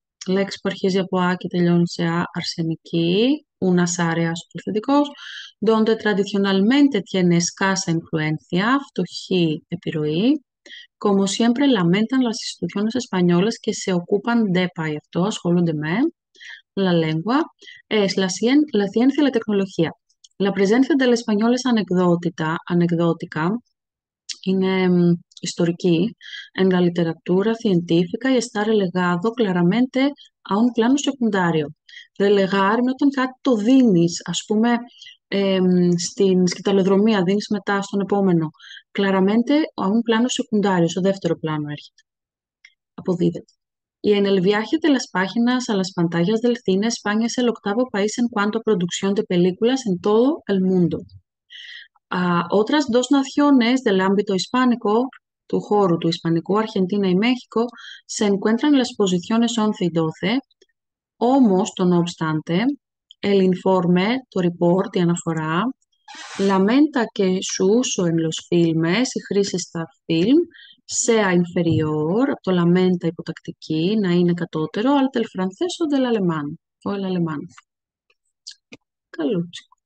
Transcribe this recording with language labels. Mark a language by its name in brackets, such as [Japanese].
[Greek] Λέξη που αρχίζει από «α» και τελειώνει σε «α» αρσενική, [Spanish] «unas áreas», [Greek] το θετικό, [Spanish] «donde tradicionalmente tiene escasa influencia», [Greek] φτωχή επιρροή, [Spanish] «como siempre lamentan las instituciones españolas que se ocupan de pay», [Greek] αυτό ασχολούνται με, [Spanish] «la lengua», «es la ciencia y la tecnología». «La presencia del español es anecdótica», «anecdótica», [Greek] είναι ιστορική, [Spanish] en la literatura científica y está relegado claramente a un plano secundario. [Greek] Relegar είναι όταν κάτι το δίνεις, ας πούμε, στην σκυταλοδρομία, δίνεις μετά στον επόμενο. [Spanish] Claramente a un plano secundario, [Greek] στο δεύτερο πλάνο έρχεται. Αποδίδεται. [Spanish] Y en el viaje de las páginas a las pantallas del cine, España es el octavo país en cuanto a producción de películas en todo el mundo. Otras dos naciones del ámbito hispánico, [Greek] του χώρου του Ισπανικού, Αργεντίνα ή Μέχικο, [Spanish] se encuentran las posiciones 11 y 12, [Greek] όμως, το [Spanish] no obstante, el informe, το report, [Greek] η αναφορά, [Spanish] lamenta que su uso en los filmes, [Greek] η χρήση στα [Spanish] film, sea inferior, [Greek] από το [Spanish] lamenta [Greek] υποτακτική, να είναι κατώτερο, [Spanish] al del francés o del alemán, ο el alemán. [Greek] Καλούτσι.